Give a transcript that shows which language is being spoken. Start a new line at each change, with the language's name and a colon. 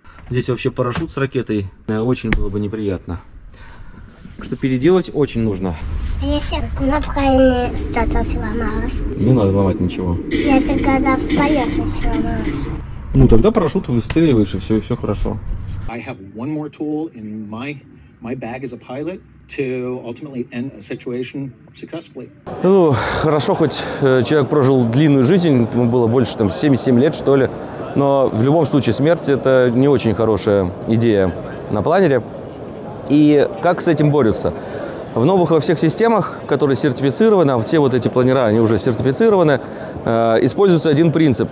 Russian: Здесь вообще парашют с ракетой. Очень было бы неприятно. Так что переделать очень нужно. А если кнопка или что-то сломалось? Не надо ломать ничего. Я только когда в полете сломалось. Ну тогда парашют выстреливаешь, и все хорошо.
English: I have one more tool in my bag as a pilot. To ultimately end a situation successfully.
Russian: Ну, хорошо, хоть человек прожил длинную жизнь, ему было больше там 77 лет, что ли. Но в любом случае смерть – это не очень хорошая идея на планере. И как с этим борются? В новых во всех системах, которые сертифицированы, а все вот эти планера, они уже сертифицированы, используется один принцип.